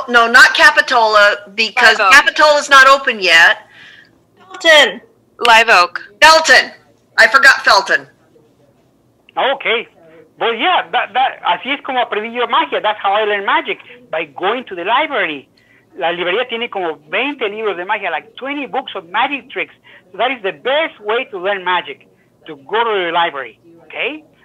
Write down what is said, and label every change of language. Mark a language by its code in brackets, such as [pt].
[en] Not Capitola, because Capitola is not open yet. Felton. Live Oak. Felton. I forgot Felton. Okay. Well, yeah, that [es] así es como aprendí yo magia. [en] That's how I learned magic, by going to the library. [es] La librería tiene como 20 libros de magia, [en] like 20 books of magic tricks. So that is the best way to learn magic, to go to the library, okay?